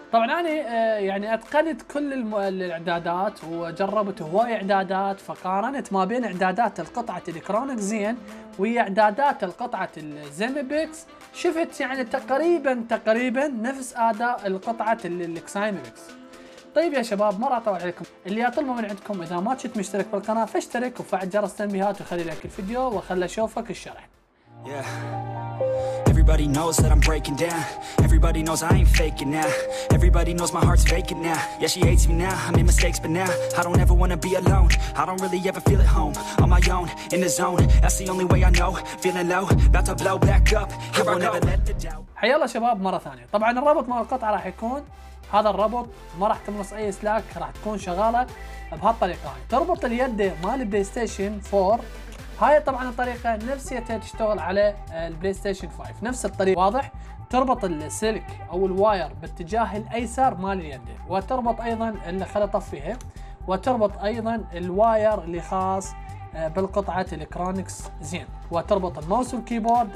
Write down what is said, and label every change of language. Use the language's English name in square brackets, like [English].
[Arabic] طبعا انا يعني اتقنت كل الاعدادات وجربت هواي اعدادات، فقارنت ما بين اعدادات القطعه الكرونيك زين ويا اعدادات القطعه الزيمي بيكس، شفت يعني تقريبا نفس اداء القطعه الاكسايمي بيكس. طيب يا شباب ما راح اطول عليكم، اللي اطلبه من عندكم اذا ما كنت مشترك بالقناه فاشترك وفعل جرس التنبيهات وخلي لايك الفيديو وخلي اشوفك الشرح. [English] Yeah. Everybody knows that I'm breaking down. Everybody knows I ain't faking now. Everybody knows my heart's faking now. Yeah, she hates me now. I made mistakes, but now I don't ever wanna be alone. I don't really ever feel at home on my own in the zone. That's the only way I know. Feeling low, about to blow back up. Here I go. Never let the doubt. [Arabic] حيا الله شباب مرة ثانية. طبعا الرابط مع القطعة راح يكون هذا الرابط، ما راح تمنص أي سلاك، راح تكون شغالة بهالطريقة. تربط اليد مال البلاي ستيشن 4. هاي طبعا الطريقه نفسيتها تشتغل على البلاي ستيشن 5 نفس الطريقه. واضح تربط السلك او الواير باتجاه الايسر مال اليد، وتربط ايضا اللي خلى طفيها، وتربط ايضا الواير اللي خاص بالقطعه الكرونيكس زين، وتربط الماوس والكيبورد.